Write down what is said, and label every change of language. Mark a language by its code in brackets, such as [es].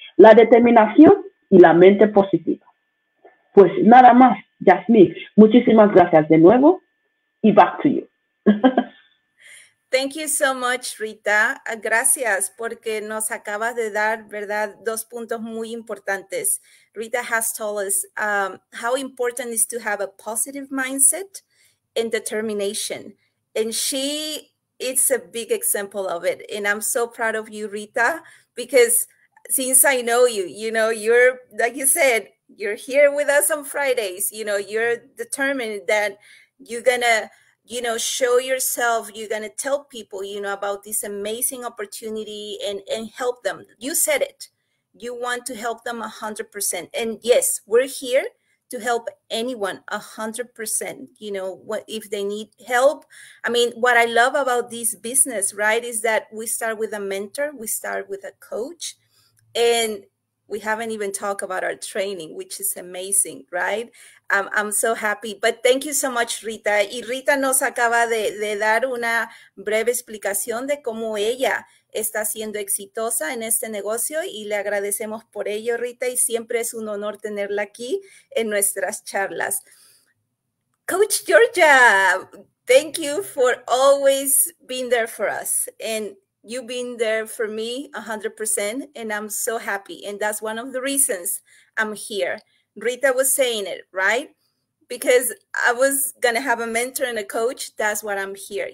[es] La determinación y la mente positiva. Pues nada más, Yasmín. Muchísimas gracias de nuevo y [en] back to you. Thank you so much, Rita. [es] Gracias, porque nos acabas de dar, verdad, dos puntos muy importantes. [en] Rita has told us how important it is to have a positive mindset and determination. And she is a big example of it. And I'm so proud of you, Rita, because since I know you, you know, you're, like you said, you're here with us on Fridays. You know, you're determined that you're going to, you know, show yourself, you're going to tell people, you know, about this amazing opportunity and help them. You said it. You want to help them 100%. And yes, we're here to help anyone 100%. You know, what if they need help? I mean, what I love about this business, right, is that we start with a mentor, we start with a coach, and we haven't even talked about our training, which is amazing, right? I'm so happy. But thank you so much, Rita. [es] Y Rita nos acaba de dar una breve explicación de cómo ella está siendo exitosa en este negocio. Y le agradecemos por ello, Rita. Y siempre es un honor tenerla aquí en nuestras charlas. [en] Coach Georgia, thank you for always being there for us. And You've been there for me 100%, and I'm so happy. And that's one of the reasons I'm here. Rita was saying it, right? Because I was going to have a mentor and a coach. That's why I'm here.